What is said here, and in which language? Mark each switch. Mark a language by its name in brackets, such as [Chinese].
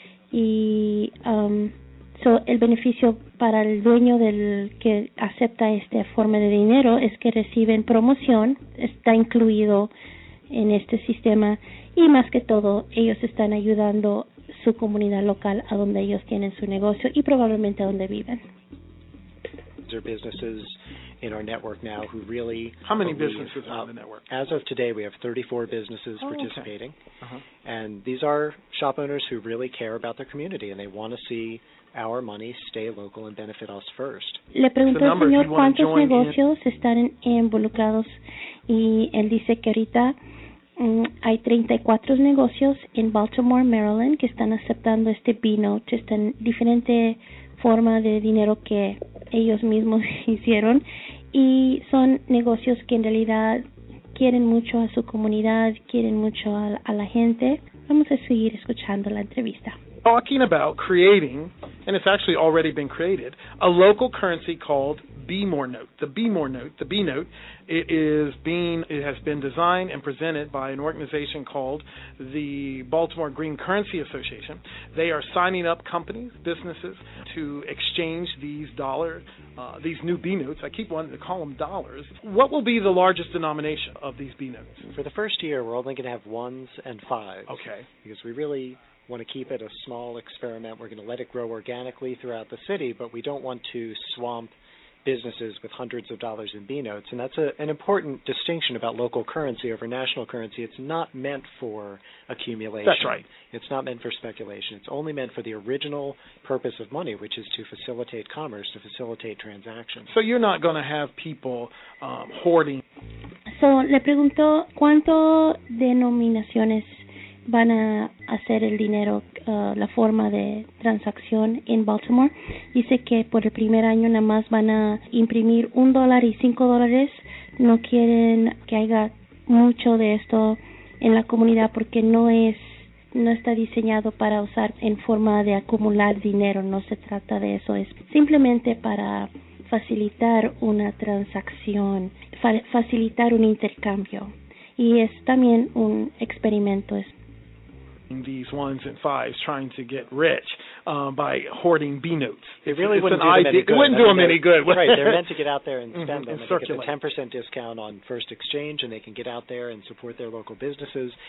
[Spanish] Y el beneficio para el dueño del que acepta este forma de dinero es que reciben promoción, está incluido en este sistema, y más que todo ellos están ayudando su comunidad local a donde ellos tienen su negocio y probablemente a donde viven. [English] There are businesses in our network now who really... How many businesses are in the network? As of today, we have 34 businesses participating. Okay. Uh-huh. And these are shop owners who really care about their community, and they want to see our money stay local and benefit us first. [Spanish] Le pregunto al señor cuántos negocios están involucrados, y él dice que ahorita hay 34 negocios en Baltimore, Maryland, que están aceptando este B-Note, esta diferente forma de dinero que ellos mismos hicieron, y son negocios que en realidad quieren mucho a su comunidad, quieren mucho a la gente. Vamos a seguir escuchando la entrevista. [English] Talking about creating, and it's actually already been created, a local currency called B-More Note. The B-More Note, the B-Note, it has been designed and presented by an organization called the Baltimore Green Currency Association. They are signing up companies, businesses, to exchange these these new B-Notes. I keep wanting to call them dollars. What will be the largest denomination of these B-Notes? For the first year, we're only going to have ones and fives. Okay. Because we really want to keep it a small experiment. We're going to let it grow organically throughout the city, but we don't want to swamp businesses with hundreds of dollars in B-notes. And that's an important distinction about local currency over national currency. It's not meant for accumulation. That's right. It's not meant for speculation. It's only meant for the original purpose of money, which is to facilitate commerce, to facilitate transactions. So you're not going to have people hoarding. [Spanish] So le pregunto, ¿cuánto denominaciones van a hacer el dinero, la forma de transacción en Baltimore? Dice que por el primer año nada más van a imprimir $1 y $5. No quieren que haya mucho de esto en la comunidad porque no está diseñado para usar en forma de acumular dinero. No se trata de eso. Es simplemente para facilitar una transacción, facilitar un intercambio. Y es también un experimento. [English] These ones and fives trying to get rich by hoarding B-notes. It really wouldn't do them any good. It wouldn't do them any good. Right, they're meant to get out there and spend them. And circulate. They get a 10% discount on first exchange, and they can get out there and support their local businesses.